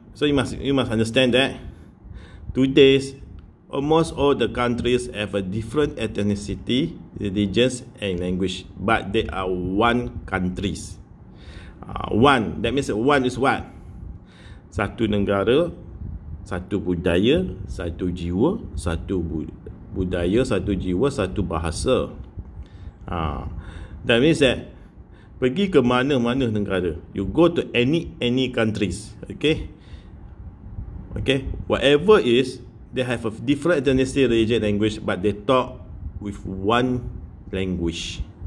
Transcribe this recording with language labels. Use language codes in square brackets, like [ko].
[en] So you must understand that today's almost all the countries have a different ethnicity, religions and language, but they are one countries. One, that means one is what? [id] Satu negara, satu budaya, satu jiwa, satu budaya, satu jiwa, satu bahasa. [en] That means that [id] pergi ke mana-mana negara, [en] you go to any countries, okay, whatever is, they have a different ethnicity, religion, language, but they talk with one language.